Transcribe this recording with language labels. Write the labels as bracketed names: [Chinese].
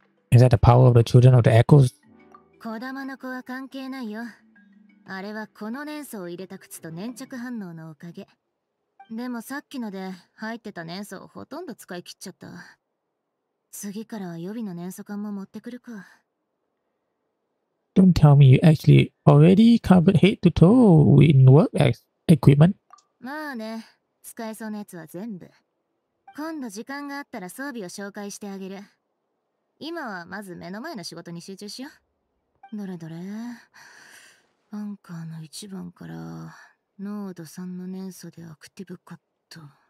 [English] Is that the power of the children of the echoes? [Japanese] 小玉の子は関係ないよ。あれはこの粘素を入れた靴と粘着反応のおかげ。でもさっきので入ってた粘素をほとんど使い切っちゃった。次からは予備の粘素管も持ってくるか。 [English] Don't tell me you actually already covered head to toe in work equipment. [Japanese] まあね、使えそうなやつは全部。今度時間があったら装備を紹介してあげる。今はまず目の前の仕事に集中しよう。どれどれ。アンカーの一番から、ノード3の粘素でアクティブカット。